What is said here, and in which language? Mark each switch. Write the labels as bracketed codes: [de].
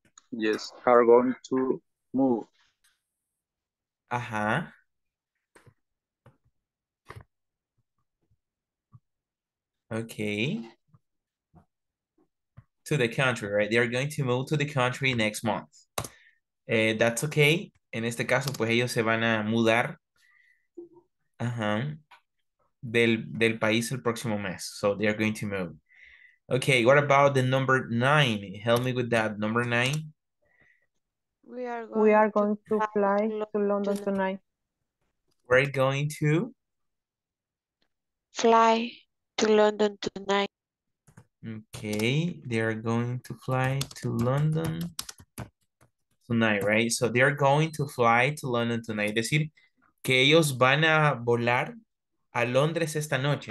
[en] Yes, are going to move. Uh-huh. Okay. To the country, right? They are going to move to the country next month. That's okay. [es] En este caso, pues ellos se van a mudar del país el próximo mes. [en] So they are going to move. Okay, what about the number nine? Help me with that. Number nine. We are going to fly to London tonight. We're going to fly to London tonight. Okay, they are going to fly to London tonight, right? So they are going to fly to London tonight. [es] Es decir, que ellos van a volar a Londres esta noche.